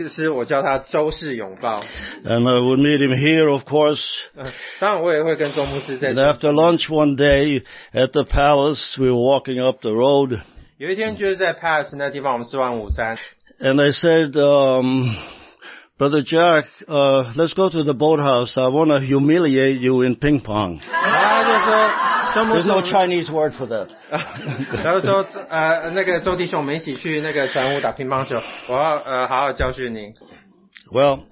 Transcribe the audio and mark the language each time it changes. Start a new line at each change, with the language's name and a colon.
Chinese: 我会碰到周牧师的时候，我会给他一个大拥抱。然后那个是我叫他周氏拥抱。
English: And I would meet him here, of course.
Chinese: 当然我也会跟周牧师在。
English: And after lunch one day at the palace, we were walking up the road.
Chinese: 有一天就是在 palace 那地方，我们吃完午餐。
English: And I said, Brother Jack, let's go to the boathouse. I want to humiliate you in ping pong.
Chinese: 然后他就说。
English: There's no Chinese word for that.
Chinese: 然后说，那个周弟兄，我们一起去那个船坞打乒乓球，我要好好教训您。
English: Well,